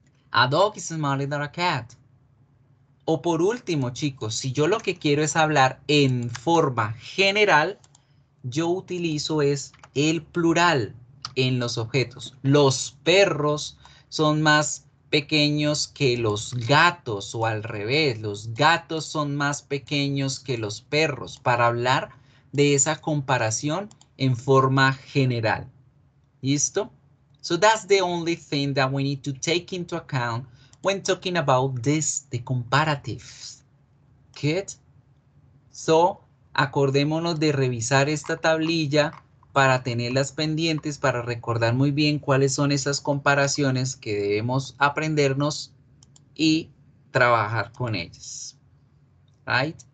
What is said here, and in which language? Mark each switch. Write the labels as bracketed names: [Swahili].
[English] A dog is smaller than a cat. [Spanish] O por último, chicos, si yo lo que quiero es hablar en forma general, yo utilizo es el plural en los objetos. Los perros son más pequeños que los gatos, o al revés, los gatos son más pequeños que los perros, para hablar de esa comparación en forma general. ¿Listo? [English] So that's the only thing that we need to take into account when talking about this, the comparatives. Good? [Spanish] So, acordémonos de revisar esta tablilla para tenerlas pendientes, para recordar muy bien cuáles son esas comparaciones que debemos aprendernos y trabajar con ellas. [English] Right?